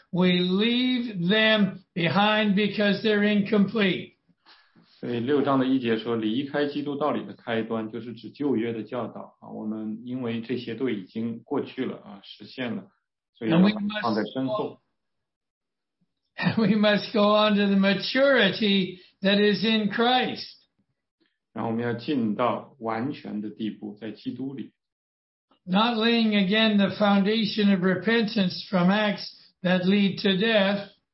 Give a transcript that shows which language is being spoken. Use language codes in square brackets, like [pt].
[en] We leave them behind because they're incomplete. [zh] 所以六章的一节说，离开基督道理的开端，就是指旧约的教导啊。我们因为这些都已经过去了啊，实现了，所以要把它放在身后。 [en] We must go on to the maturity that is in Christ. [zh] 然后我们要进到完全的地步，在基督里。 [en] Not laying again the foundation of repentance from Acts that lead to death.